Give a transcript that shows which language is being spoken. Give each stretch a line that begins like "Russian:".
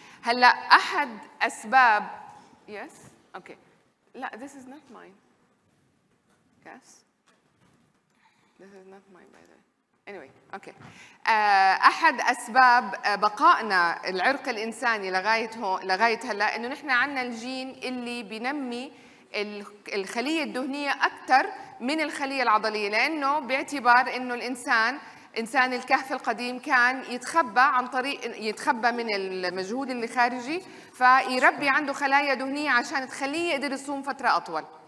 Arabic: هلأ أحد أسباب Yes.
English: Okay. لا, this is not mine. Yes. This is not mine, by the way. Anyway. Okay.
Arabic: أحد أسباب بقائنا العرق الإنساني لغاية هلا إنه نحن عنا الجين اللي بنمي الخلية الدهنية أكثر من الخلية العضلية، لأنه باعتبار إنه الإنسان إنسان الكهف القديم كان يتخبى عن طريق يتخبى من المجهود اللي خارجي، فيربي عنده خلايا دهنية عشان تخليه يقدر يصوم فترة أطول.